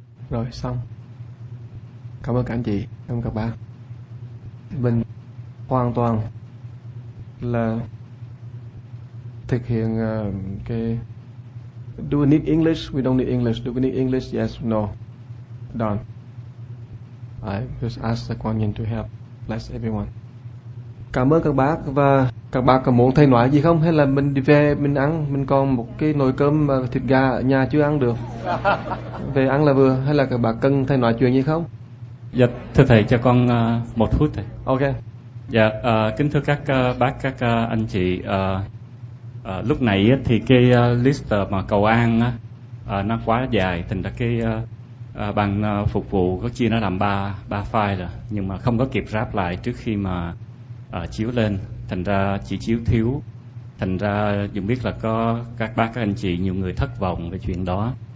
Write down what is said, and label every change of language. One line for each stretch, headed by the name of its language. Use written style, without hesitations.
Vietnamese: Rồi xong. Cảm ơn cả anh chị, cảm ơn các bạn. Mình hoàn toàn là thực hiện cái
English: do we need English? We don't need English. Do we need English? Yes, no. Done. I just ask the Quan Yin to help. Bless everyone.
Vietnamese: Cảm ơn các bác. Và các bác có muốn thầy nói gì không? Hay là mình đi về mình ăn? Mình còn một cái nồi cơm và thịt gà ở nhà chưa ăn được. Về ăn là vừa. Hay là các bác cần thầy nói chuyện gì không? Dạ, thưa thầy cho con một phút thầy. Ok. Dạ, kính thưa các bác, các anh chị. À, lúc nãy thì cái list mà cầu an nó quá dài, thành ra cái ban phục vụ có chia nó làm ba file rồi, nhưng mà không có kịp ráp lại trước khi mà chiếu lên, thành ra chỉ chiếu thiếu, thành ra dù biết là có các bác các anh chị nhiều người thất vọng về chuyện đó.